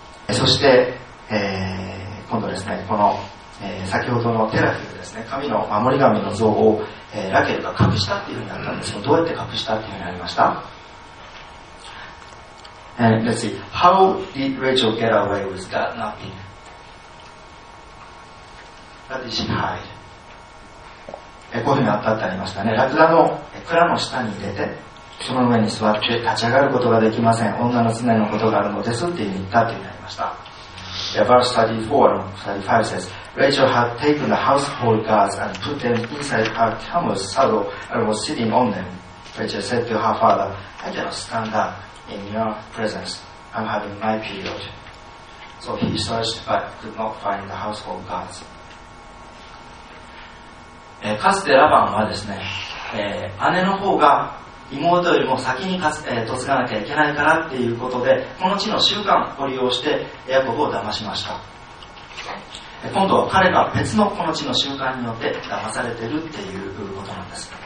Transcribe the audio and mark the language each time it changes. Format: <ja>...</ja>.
<ja>そして、今度ですね、この、先ほどのテラフィルですね、神の守り神の像を、ラケルが隠したっていうふうになったんですけど、どうやって隠したっていうふうになりました。</ja> <en>And let's see, how did Rachel get away with that nothing? What did she hide?</en> <ja>こういうふうにあったってありましたね。ラクダの蔵の下に入れて、その上に座って立ち上がることができません。女の常のことがあるのですって言ったってなりました。</ja> <en>Verse 34, 35 says, Rachel had taken the household gods and put them inside her camel's saddle and was sitting on them. Rachel said to her father, I cannot stand up. In your presence, I'm having my period. So he searched but could not find the household gods.</en> <ja>かつてラバンはですね、姉の方が妹よりも先に嫁がなきゃいけないからっていうことで、この地の習慣を利用してヤコブを騙しました。今度は彼が別のこの地の習慣によって騙されてるっていうことなんです。</ja>